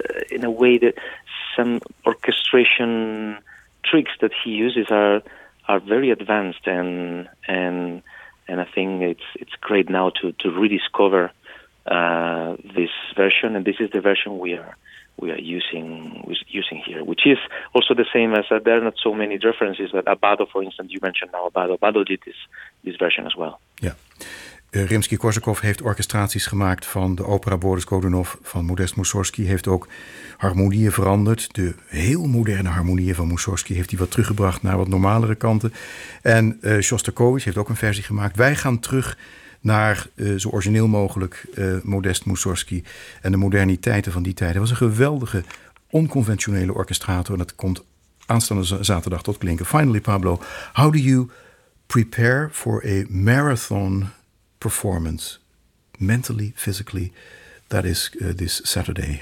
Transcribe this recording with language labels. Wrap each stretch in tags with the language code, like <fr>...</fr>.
<en>in a way that some orchestration tricks that he uses are very advanced, and I think it's great now to rediscover this version, and this is the version we are using here, which is also the same as there are not so many differences. But Abbado, for instance, you mentioned now Abbado did this version as well.</en> <nl>Yeah, Rimsky-Korsakov heeft orchestraties gemaakt van de opera Boris Godunov van Modest Mussorgsky. Heeft ook harmonieën veranderd. De heel moderne harmonieën van Mussorgsky heeft hij wat teruggebracht naar wat normalere kanten. En Shostakovich heeft ook een versie gemaakt. Wij gaan terug naar zo origineel mogelijk Modest Mussorgsky en de moderniteiten van die tijden. Hij was een geweldige, onconventionele orchestrator. En dat komt aanstaande zaterdag tot klinken.</nl> <en>Finally, Pablo, how do you prepare for a marathon performance, mentally, physically, that is this Saturday?</en>